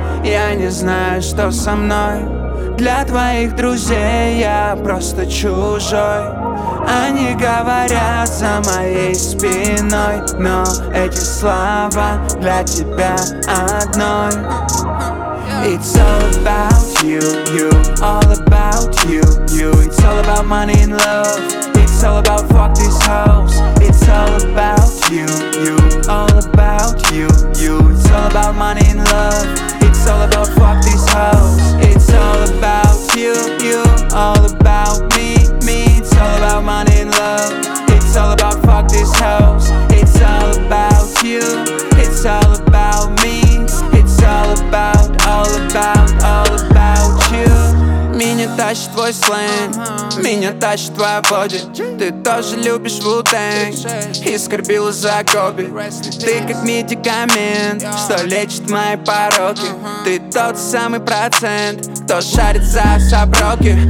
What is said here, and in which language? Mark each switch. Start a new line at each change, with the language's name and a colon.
Russian: Я не знаю, что со мной. Для твоих друзей я просто чужой. Они говорят за моей спиной. Но эти слова для тебя одной.
English: It's all about you, you. All about you, you. It's all about money and love. It's all about fuck these hoes. It's all about you, you. All about you, you. It's all about money and love. It's all about fuck these hoes. It's all about you, you. All about me, me. It's all about money and love. It's all about fuck these hoes. It's all about you. It's all about me. It's all about, all about, all about you.
Russian: Меня тащит твой сленг, меня тащит твоя боди. Ты тоже любишь Wu-Tang и скорбила за Коби. Ты как медикамент, что лечит мои пороки. Ты тот самый процент, кто шарит за соброки.